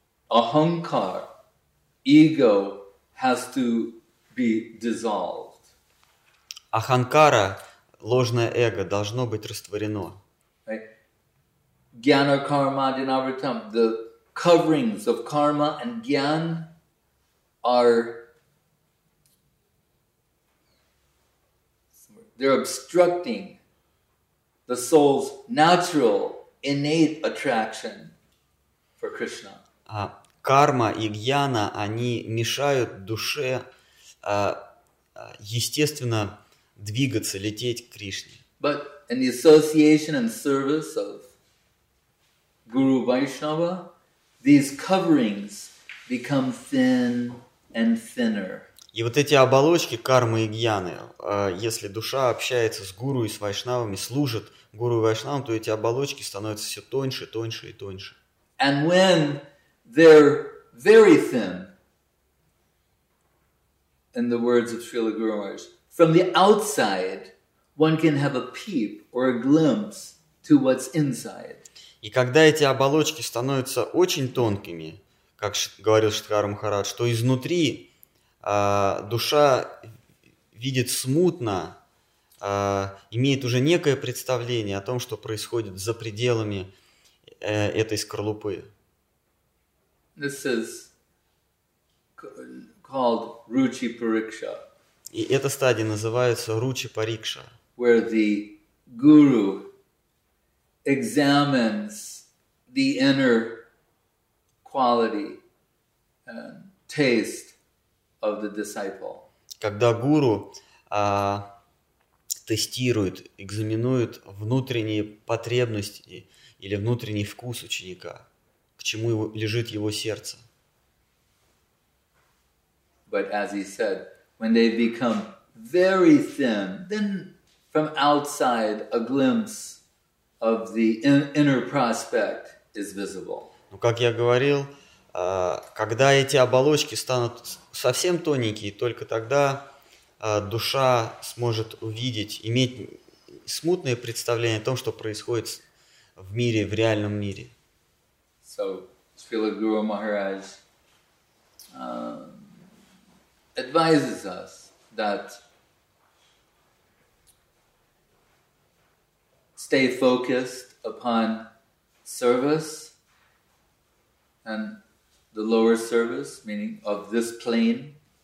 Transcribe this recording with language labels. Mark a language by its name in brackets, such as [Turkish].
[English] Ахамкар, ego, has to be dissolved. [Russian] Аханкара, ложное эго, должно быть растворено. [English] Gyana karma dinavritam, the coverings of karma and gyan are, they're obstructing the soul's natural, innate attraction for Krishna. [Russian] Карма и гьяна, они мешают душе естественно двигаться, лететь к Кришне. [English] But in the association and service of Guru Vaishnava, these coverings become thin and thinner. [Russian] И вот эти оболочки кармы и гьяны, если душа общается с гуру и с вайшнавами, служит гуру и вайшнавам, то эти оболочки становятся все тоньше, тоньше и тоньше. [English] And when they're very thin, in the words of Srila Guru Maharaj, from the outside, one can have a peep or a glimpse to what's inside. [Russian] И когда эти оболочки становятся очень тонкими, как говорил Шридхара Махарадж, что изнутри душа видит смутно, имеет уже некое представление о том, что происходит за пределами этой скорлупы. [English] This is called Ruchi Pariksha. [Russian] И эта стадия называется Ruchi Pariksha. [English] Where the guru examines the inner quality and taste of the disciple. [Russian] Когда гуру тестирует, экзаменует внутренние потребности или внутренний вкус ученика. К чему лежит его сердце. [English] But as he said, when they become very thin, then from outside a glimpse of the inner prospect is visible. [Russian] Ну, как я говорил, когда эти оболочки станут совсем тоненькие, только тогда душа сможет увидеть, иметь смутное представление о том, что происходит в мире, в реальном мире. [English] So, Srila Guru Maharaj advises us that stay focused upon service and the lower service, meaning of this plane.